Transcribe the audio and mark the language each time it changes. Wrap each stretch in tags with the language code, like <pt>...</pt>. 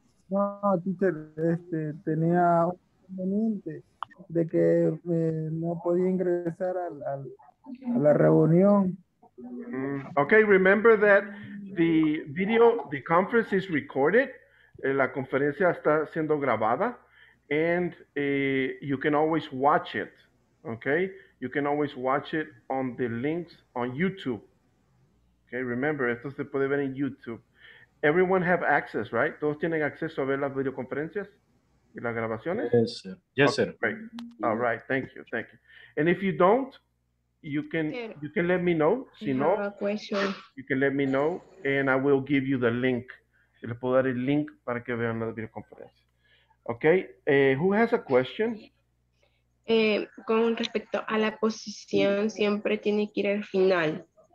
<es>No, teacher, tenía un inconveniente de que no podía ingresar a la reunión.</es> <en>Okay, remember that the video, the conference is recorded.</en> <es>La conferencia está siendo grabada.</es> <en>And you can always watch it, okay? You can always watch it on the links on YouTube. Okay, remember,</en> <es>esto se puede ver en YouTube.</es> <en>Everyone have access, right?</en> <es>¿Todos tienen acceso a ver las videoconferencias y las grabaciones?</es> <en>Yes, sir. Yes, okay, sir. Great. All right. Thank you. And if you don't, you can let me know.</en> <es>Si no,</es> <en>you can let me know and I will give you the link.</en> <es>Yo le puedo dar el link para que vean la videoconferencia.</es> <en>Okay. Who has a question?</en> <es>Con respecto a la posición, siempre tiene que ir al final.</es>